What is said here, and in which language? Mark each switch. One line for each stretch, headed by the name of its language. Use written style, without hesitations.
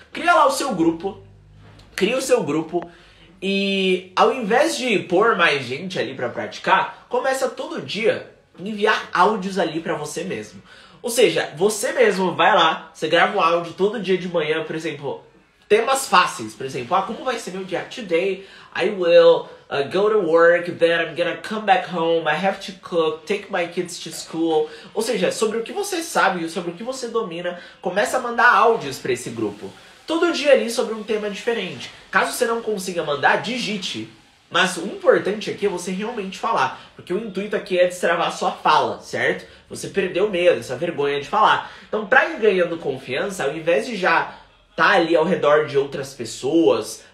Portuguese: Cria lá o seu grupo, cria o seu grupo e ao invés de pôr mais gente ali pra praticar, começa todo dia enviar áudios ali pra você mesmo. Ou seja, você mesmo vai lá, você grava um áudio todo dia de manhã, por exemplo, temas fáceis, por exemplo, ah, como vai ser meu dia today?
English: I will go to work, then I'm gonna come back home, I have to cook, take my kids to school.
Portuguese: Ou seja, sobre o que você sabe, sobre o que você domina, começa a mandar áudios pra esse grupo. Todo dia ali sobre um tema diferente. Caso você não consiga mandar, digite. Mas o importante aqui é você realmente falar. Porque o intuito aqui é destravar a sua fala, certo? Você perdeu o medo, essa vergonha de falar. Então, pra ir ganhando confiança, ao invés de já estar ali ao redor de outras pessoas...